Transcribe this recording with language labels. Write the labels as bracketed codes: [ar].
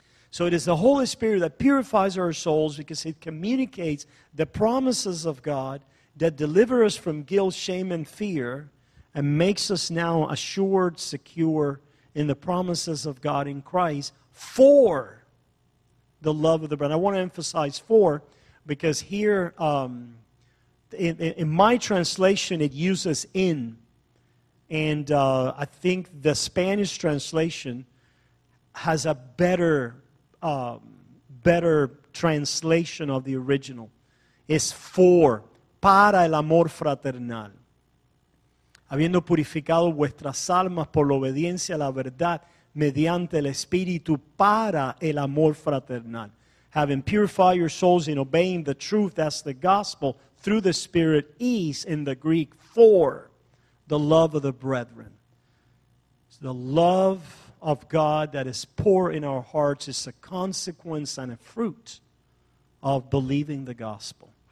[en] So it is the Holy Spirit that purifies our souls because it communicates the promises of God that deliver us from guilt, shame, and fear and makes us now assured, secure in the promises of God in Christ for the love of the brethren. I want to emphasize for because here in my translation it uses in. And I think the Spanish translation has a better better translation of the original. It's for, [es] para el amor fraternal. Habiendo purificado vuestras almas por la obediencia a la verdad mediante el Espíritu para el amor fraternal. [en] Having purified your souls in obeying the truth, that's the gospel, through the Spirit, is in the Greek for the love of the brethren. It's the love of God that is poured in our hearts is a consequence and a fruit of believing the gospel.